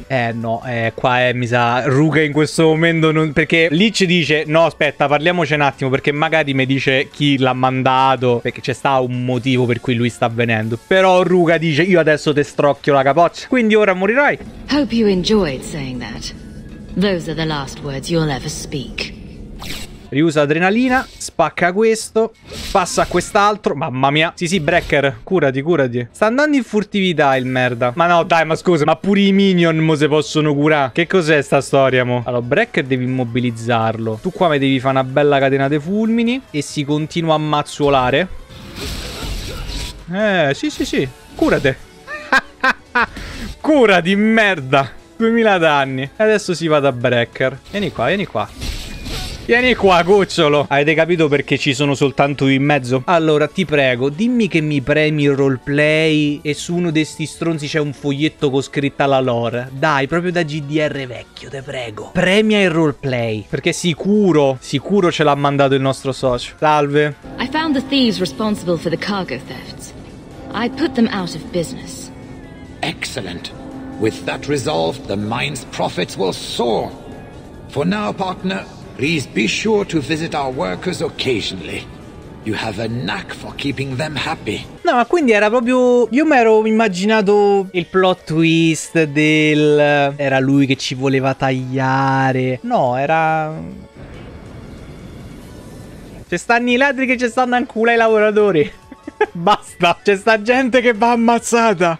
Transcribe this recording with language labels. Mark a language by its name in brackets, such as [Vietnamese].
[Italian] Qua è, mi sa, Ruka in questo momento non... Perché lì ci dice... No, aspetta, parliamoci un attimo, perché magari mi dice chi l'ha mandato, perché c'è sta un motivo per cui lui sta venendo. Però Ruka dice, io adesso te strocchio la capoccia, quindi ora morirai. [English] Hope you enjoyed saying that. Those are the last words you'll ever speak. [Italian] Riusa adrenalina, spacca questo, passa a quest'altro. Mamma mia. Sì, sì, Brecker, curati, curati. Sta andando in furtività il merda. Ma no, dai, ma scusa, ma pure i minion mo se possono curare. Che cos'è sta storia, mo? Allora, Brecker devi immobilizzarlo. Tu qua mi devi fare una bella catena dei fulmini. E si continua a mazzuolare. Sì, sì, sì. Curate. Curati, merda. 2000 danni. E adesso si va da Brecker. Vieni qua, vieni qua. Vieni qua, cucciolo. Avete capito perché ci sono soltanto in mezzo? Allora, ti prego, dimmi che mi premi il roleplay e su uno di sti stronzi c'è un foglietto con scritta la lore. Dai, proprio da GDR vecchio, te prego. Premia il roleplay. Perché sicuro, sicuro ce l'ha mandato il nostro socio. Salve. [English] I found the thieves responsible for the cargo thefts. I put them out of business. Excellent. With that resolved, the mine's profits will soar. For now, partner... Please be sure to visit our workers occasionally. You have a knack for keeping them happy. [Italian] No, ma quindi era proprio... Io mi ero immaginato il plot twist del... Era lui che ci voleva tagliare. No, era... Ci stanno i ladri che ci stanno ancora i lavoratori. Basta, c'è sta gente che va ammazzata.